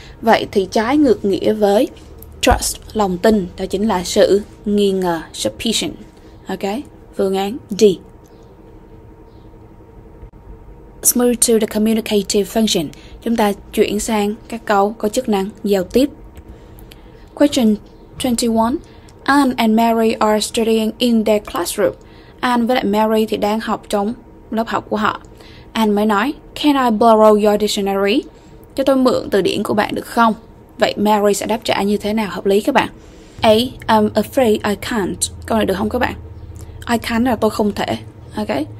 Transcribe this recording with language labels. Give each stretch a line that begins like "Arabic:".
Vietnamese: Vậy thì trái ngược nghĩa với trust, lòng tin, đó chính là sự nghi ngờ, suspicion. Ok? Phương án D.
English: Let's move to the communicative function.
Vietnamese: Chúng ta chuyển sang các câu có chức năng giao tiếp.
English: Question 21. Anne and Mary are studying in their classroom.
Vietnamese: Anne với lại Mary thì đang học trong lớp học của họ. Anne mới nói,
English: can I borrow your dictionary?
Vietnamese: Cho tôi mượn từ điển của bạn được không? Vậy Mary sẽ đáp trả như thế nào hợp lý các bạn? A,
English: I'm afraid I can't.
Vietnamese: Câu này được không các bạn?
English: I can't
Vietnamese: là tôi không thể. Ok.